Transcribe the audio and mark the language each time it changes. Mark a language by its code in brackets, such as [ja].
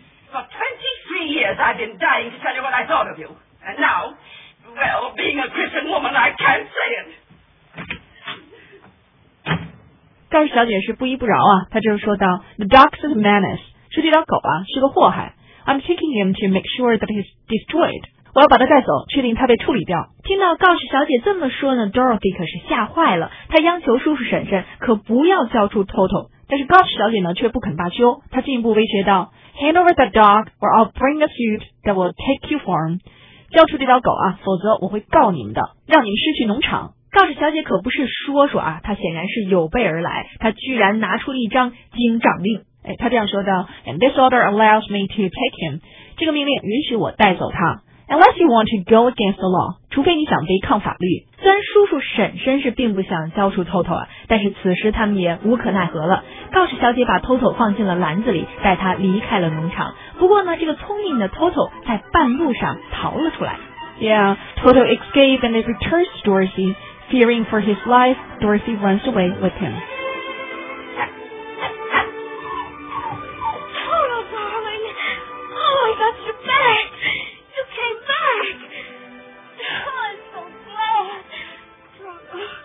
[en] For 23 years I've been dying to tell you what I thought of you. And now, well, being a Christian woman, I can't say it. [zh] 盖世小姐是不依不饶啊，她就是说道 [en] The dog's a menace, [zh] 说这条狗啊是个祸害 [en] I'm taking him to make sure that he's destroyed, [zh] 我要把他带走，确定他被处理掉。听到盖世小姐这么说呢， Dorothy 可是吓坏了，她央求叔叔婶婶可不要交出 Toto, 但是盖世小姐呢却不肯罢休，她进一步威胁道 [en] Hand over the dog or I'll bring a suit that will take you farm, [zh] 交出这条狗啊，否则我会告你们的，让你们失去农场。告示小姐可不是说说啊，她显然是有备而来，她居然拿出了一张警长令。哎，她这样说道 [en] ,And this order allows me to take him. [zh] 这个命令允许我带走他。 [en] unless you want to go against the law, [zh] 除非你想违抗法律。虽然叔叔婶婶是并不想交出 Toto 啊，但是此时他们也无可奈何了。告示小姐把 Toto 放进了篮子里，带他离开了农场。不过呢，这个聪明的 Toto 在半路上逃了出来。 [en] Yeah, Toto escapes and returns to Dorothy. Fearing for his life, Dorothy runs away with him. Toto, darling! Oh, I got you back! You came back! Oh, I'm so glad!